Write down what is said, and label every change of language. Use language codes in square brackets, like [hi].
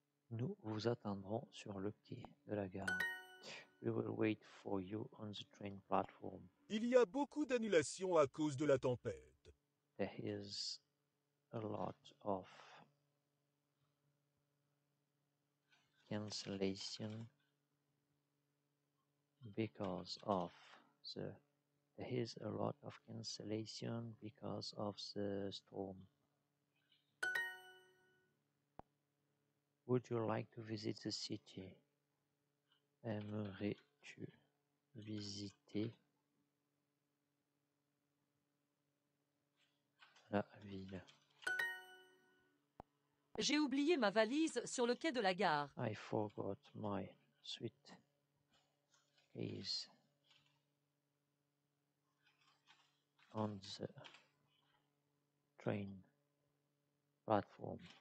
[fr] Nous vous attendrons sur le quai de la gare. [en] We will wait for you on the train platform. [fr] Il y a beaucoup d'annulations à cause de la tempête. [en] There is a lot of cancellation because of the storm. Would you like to visit the city? [fr] Aimerais-tu visiter la ville? J'ai oublié ma valise sur le quai de la gare. [en] I forgot my suitcase on the train platform.